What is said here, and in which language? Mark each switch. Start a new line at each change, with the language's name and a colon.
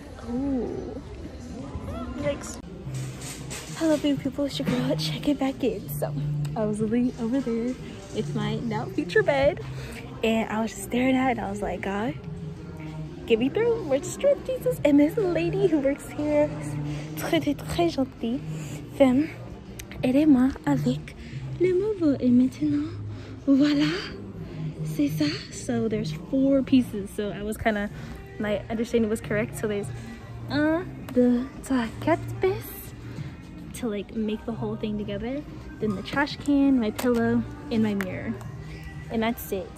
English: Ooh. Yikes. Hello, beautiful people. It's your girl checking back in. So I was leaning over there. It's my now future bed. And I was just staring at it. And I was like, God, get me through. We're just with Jesus. And this lady who works here,
French: très très très gentille, femme, aidez-moi avec le mauvais. Et maintenant, voilà.
English: So there's four pieces, so I was kind of, my understanding was correct. So there's the
French: quatre pièces
English: to like make the whole thing together, then the trash can, my pillow, and my mirror, and that's it.